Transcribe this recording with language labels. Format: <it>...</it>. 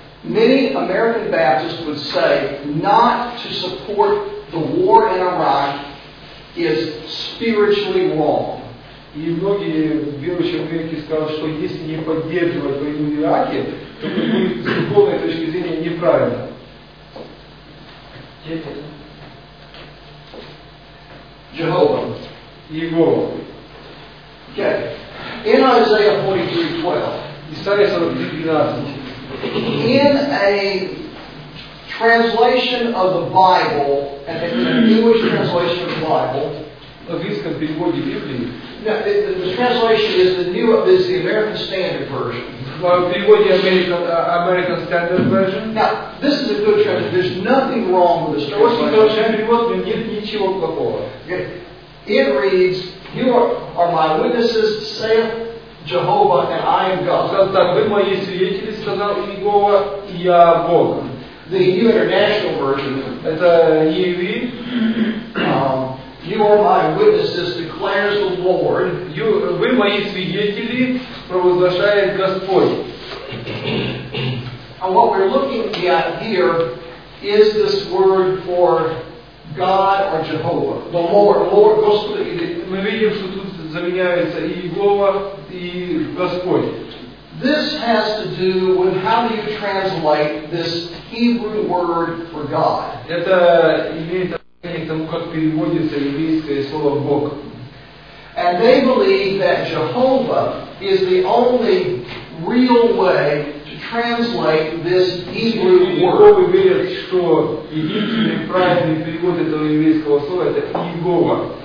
<en>Many American Baptists would say not to support the war in Iraq is spiritually wrong.</en> <ru>И многие верующие в Америке скажут, что если не поддерживать войну в Ираке, то это будет с духовной точки зрения неправильно.</ru> <en>Jehovah. Okay. In Isaiah 43:12.</en> <ru>Исайя 43:12.</ru> <en>In a translation of the Bible, and it's a Jewish translation of the Bible.</en> <ru>В английском переводе Библии.</ru> <en>The translation is the American Standard Version. Well,</en> <ru>переводе</ru> <en>American Standard Version. Now, this is a good translation. There's nothing wrong with this translation. What's the good translation?</en> <ru>Нет ничего плохого.</ru> <en>It reads, "You are my witnesses, saith Jehovah, and I am God."</en> <ru>Так, вы мои свидетели, сказал Иегова, и я Бог.</ru> <en>The New International Version.</en> <ru>Это EV.</ru> <en>You are my witnesses, declares the Lord.</en> <ru>You, вы мои свидетели, провозглашает Господь.</ru> <en>And what we're looking at here is this word for God or Jehovah. The Lord, Lord, Господь.</en> <ru>Мы видим, что тут заменяется Иегова и Господь.</ru> <en>This has to do with how do you translate this Hebrew word for God.</en> <ru>Это имеет к тому, как переводится еврейское слово Бог.</ru> <en>And they believe that Jehovah is the only real way to translate this Hebrew word.</en> <ru>Иегова верит, что единственный правильный перевод этого еврейского слова это Иегова.</ru>